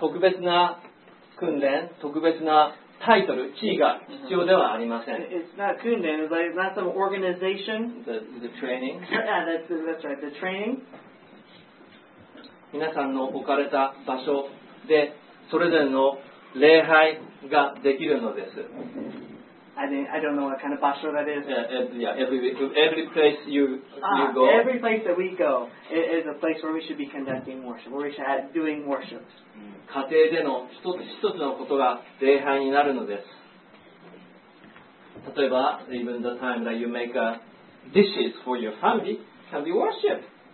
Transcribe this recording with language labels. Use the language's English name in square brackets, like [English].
[Japanese] 特別な訓練、特別なタイトル、地位が必要ではありません。 [English] It's not [Japanese] 訓練, [English] it's not some organization. The training. Yeah, that's right, the training. [Japanese] 皆さんの置かれた場所でそれぞれの礼拝ができるのです。 [English] I don't know what kind of [Japanese] 場所 [English] that is. Every place you go. Every place that we go is a place where we should be conducting worship, where we should be doing worship. [Japanese] 家庭での一つ一つのことが礼拝になるのです。例えば、 [English] even the time that you make dishes for your family can be worship.